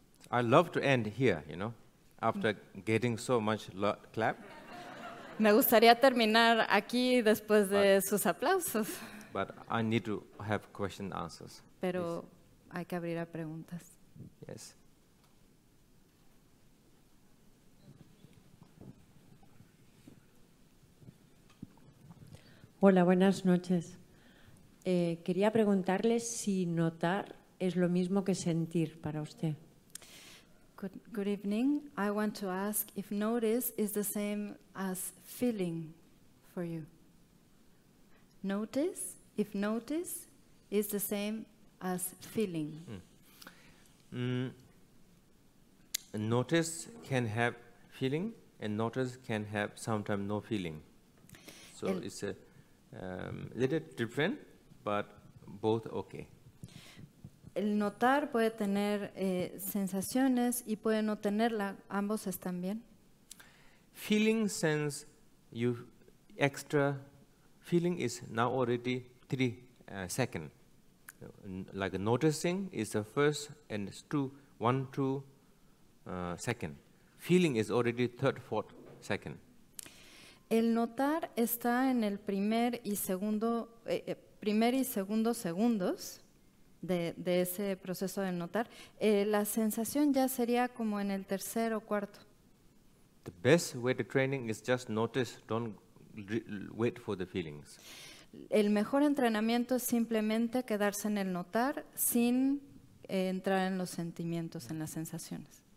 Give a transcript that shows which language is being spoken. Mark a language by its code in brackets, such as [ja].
[en] I love to end here, you know, after getting so much clap. [es] Me gustaría terminar aquí después de sus aplausos. [en] But I need to have question answers. [es] Pero [en] please, [es] hay que abrir a preguntas. [en] Yes. [es] Hola, buenas noches. Quería preguntarle si notar es lo mismo que sentir para usted. [en] Good evening. I want to ask if notice is the same as feeling for you. Notice, if notice is the same as feeling. Notice can have feeling and notice can have sometimes no feeling. So it's a little different, but both okay. [es] El notar puede tener sensaciones y puede no tenerla. Ambos están bien. [en] Feeling sense, you extra feeling is now already 3 seconds. Like noticing is the first and it's 2 second. Feeling is already 3rd, 4th second. [es] El notar está en el primer y segundo segundos de ese proceso de notar. La sensación ya sería como en el tercer o cuarto. [en] The best way to training is just notice, don't wait for the feelings. [es] El mejor entrenamiento es simplemente quedarse en el notar sin entrar en los sentimientos, en las sensaciones.